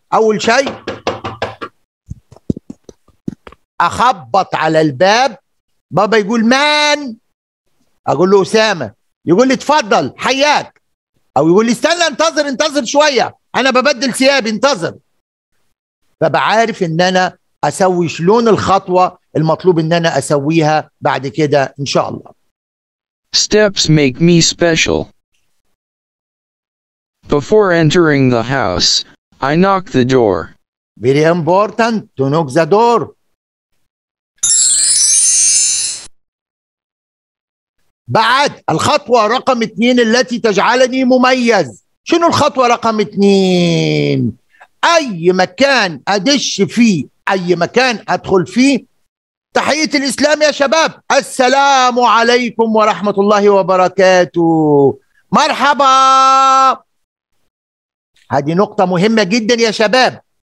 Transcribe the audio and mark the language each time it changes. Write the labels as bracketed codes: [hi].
[ar] أول شيء أخبط على الباب، بابا يقول مان، أقول له أسامة، يقول لي تفضل حياك، أو يقول لي استنى انتظر انتظر شوية أنا ببدل ثيابي انتظر، فبعارف إن أنا أسوي شلون الخطوة المطلوب إن أنا أسويها بعد كده إن شاء الله. [en] Steps make me special. Before entering the house, I knock the door. Very important to knock the door. [ar] بعد الخطوة رقم اثنين التي تجعلني مميز، شنو الخطوة رقم اثنين؟ أي مكان أدش فيه، أي مكان أدخل فيه، تحية الإسلام يا شباب، السلام عليكم ورحمة الله وبركاته، مرحبا، هذه نقطة مهمة جدا يا شباب،